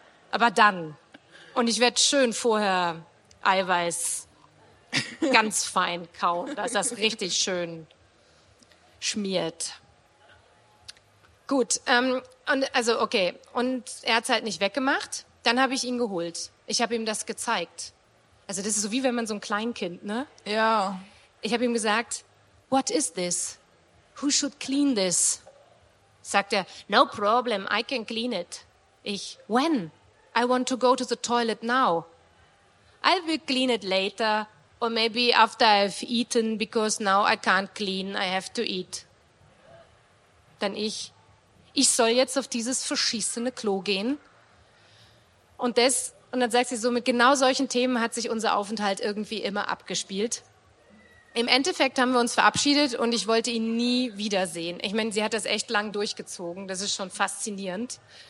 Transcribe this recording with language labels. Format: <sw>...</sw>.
<de>Aber dann. Und ich werde schön vorher Eiweiß ganz fein kauen, dass das richtig schön schmiert. Gut, und er hat es halt nicht weggemacht, dann habe ich ihn geholt. Ich habe ihm das gezeigt. Also das ist so wie wenn man so ein Kleinkind, ne? Ja. Ich habe ihm gesagt,</de> <en>what is this? Who should clean this?</en> <de>Sagt er,</de> <en>no problem, I can clean it. Ich, when? I want to go to the toilet now. I will clean it later or maybe after I've eaten because now I can't clean, I have to eat.</en> <de>Dann ich soll jetzt auf dieses verschissene Klo gehen. Und dann sagt sie so, mit genau solchen Themen hat sich unser Aufenthalt irgendwie immer abgespielt. Im Endeffekt haben wir uns verabschiedet und ich wollte ihn nie wiedersehen. Ich meine, sie hat das echt lang durchgezogen. Das ist schon faszinierend.</de>